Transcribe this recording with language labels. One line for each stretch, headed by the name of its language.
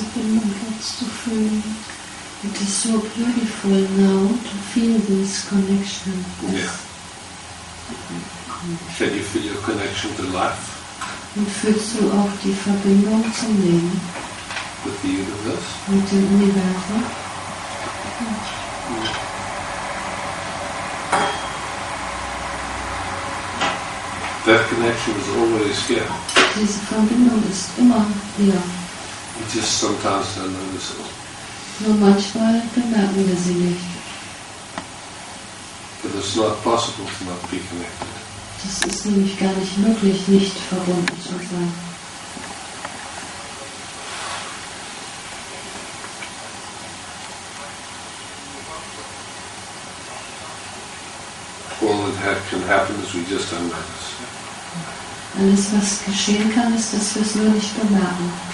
English: It is so beautiful now to feel this connection. Yeah. Can you feel your connection to life?
German: Und fühlst du auch die Verbindung zum Leben?
English: With the universe?
German: Mit dem Universum?
English: That connection is always here.
German: Diese Verbindung ist immer hier.
English: We just sometimes don't notice it.
German: Nur manchmal bemerken wir sie nicht.
English: But it's not possible to not be connected.
German: Das ist nämlich gar nicht möglich, nicht verbunden zu sein.
English: All that can happen is we just don't notice.
German: Alles, was geschehen kann, ist, dass wir es nur nicht bemerken.